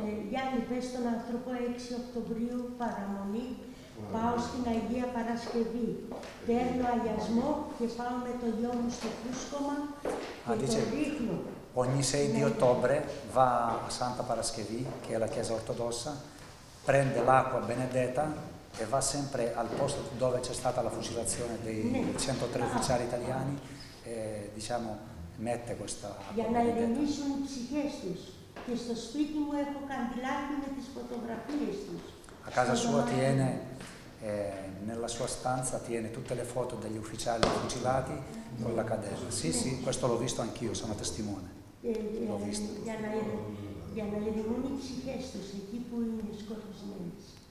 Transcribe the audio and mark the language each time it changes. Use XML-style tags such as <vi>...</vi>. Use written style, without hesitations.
<el>Γιάννη, πες στον άνθρωπο, 6 Οκτωβρίου, παραμονή, πάω στην Αγία Παρασκευή. Παίρνω αγιασμό και πάω με το γιο μου στο Κούσκομα και το ρίχνω.</el> <it>Ogni 6 di ottobre va a Santa Paraschevi, che è la chiesa ortodossa, prende l'acqua benedetta e va sempre al posto dove c'è stata la fucilazione dei 103 ufficiali italiani e, diciamo, mette questa acqua benedetta.</it> <el>Για να ειρηνήσουν οι ψυχές τους. Και στο σπίτι μου έχω καντιλάκι με τις φωτογραφίες τους.</el> <it>A casa sua tiene, nella sua stanza tiene tutte le foto degli ufficiali fucilati con la cadenza. Sì, sì, questo l'ho visto anch'io, sono testimone. L'ho visto.</it> <el>Για να ειρηνούν οι ψυχές τους εκεί που είναι σκοτωμένες.</el>